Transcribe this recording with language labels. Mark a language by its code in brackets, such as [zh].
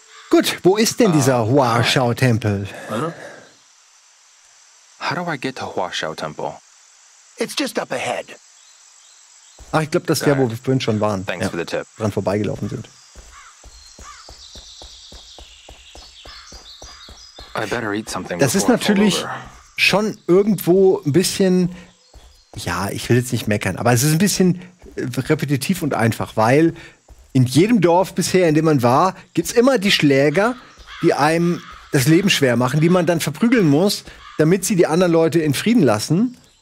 [de] Gut, wo ist denn dieser Hua Shao Tempel? [en] How do I get to Hua Shao Temple? It's just up ahead. [de] Ach, ich glaube, das wäre, wo wir vorhin schon waren. [en] Thanks for the tip. [de] Dran vorbeigelaufen sind. [en] I better eat something. [de] Das ist natürlich schon irgendwo ein bisschen, ja, ich will jetzt nicht meckern, aber es ist ein bisschen repetitiv und einfach, weil in jedem Dorf bisher, in dem man war, gibt's immer die Schläger, die einem das Leben schwer machen, die man dann verprügeln muss, damit sie die anderen Leute in Frieden lassen.